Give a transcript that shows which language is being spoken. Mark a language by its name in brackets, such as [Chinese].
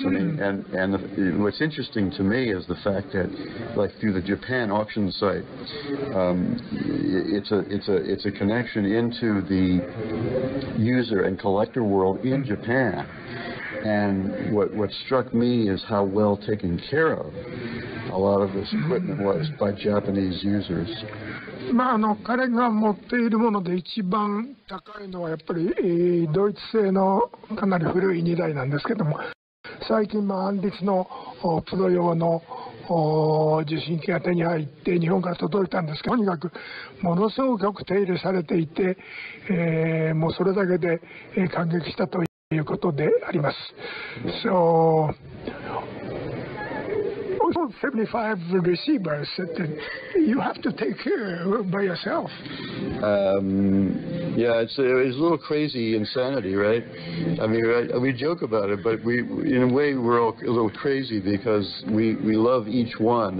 [English] I mean, and what's interesting to me is the fact that, like, through the Japan auction site, it's a connection into the user and collector world in Japan. And what struck me is how well taken care of a lot of this equipment was by Japanese users. [Japanese] まあ、あの彼が持っているもので一番高いのはやっぱり、ドイツ製のかなり古い2台なんですけども、最近、まあ、アンリツのプロ用の受信機が手に入って日本から届いたんですけど、とにかくものすごく手入れされていて、もうそれだけで、感激したということであります。 [English] So also 75 receivers that you have to take care of by yourself. Yeah, it's a little crazy insanity, right? I mean, right, we joke about it, but we, in a way, we're all a little crazy because we love each one.